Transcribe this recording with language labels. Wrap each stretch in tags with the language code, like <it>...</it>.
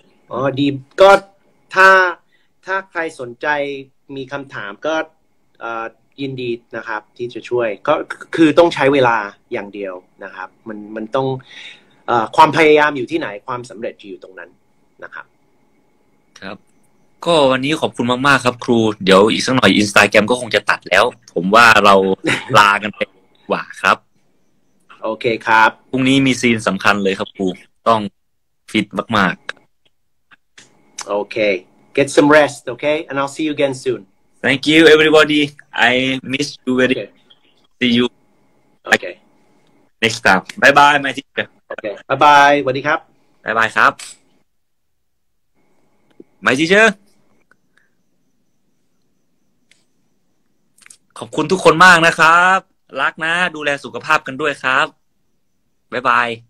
<th>อ๋อดีก็ถ้าใครสนใจมีคำถามก็ยินดีนะครับที่จะช่วยก็คือต้องใช้เวลาอย่างเดียวนะครับมันต้องความพยายามอยู่ที่ไหนความสำเร็จอยู่ตรงนั้นนะครับ ครับก็วันนี้ขอบคุณมากๆครับครูเดี๋ยวอีกสักหน่อย Instagram ก็คงจะตัดแล้วผมว่าเราลากันไปกว่าครับ โอเคครับ พรุ่งนี้มีซีนสำคัญเลยครับครูต้องฟิตมาก</th> <en>ๆโอเค get some rest okay and I'll see you again soon thank you everybody I miss you very okay. see you okay next time bye bye my teacher okay bye bye</en> <th>สวัสดีครับ บ๊ายบายครับ</th> <en>my teacher</en> <th>ขอบคุณทุกคนมากนะครับรักนะดูแลสุขภาพกันด้วยครับบ๊ายบาย</th>